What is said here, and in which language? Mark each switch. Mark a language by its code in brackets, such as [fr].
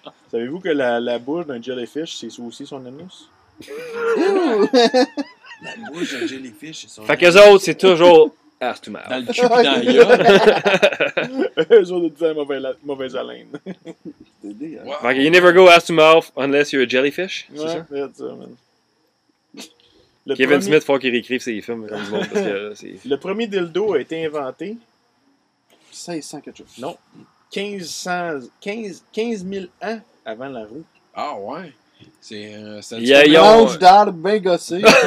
[fr] Savez-vous que la bouche d'un jellyfish, c'est aussi son anus? La bouche d'un jellyfish, c'est son anus. Fait qu'eux autres, c'est toujours... Ah, c'est tout mal. Dans le cul pis dans la gueule. Eux autres disaient mauvaise haleine. Wow. [en] Like, you never go ass to mouth unless you're a jellyfish. [fr] Ouais, c'est ça, man. Le Kevin premier... Smith, faut qu'il réécrive ses films. Comme monde, parce que, c'est... Le premier dildo a été inventé. 1600 quelque chose. Non. 15 000 ans avant la roue. Ah, oh, ouais. C'est un l'ange d'art bien gossé.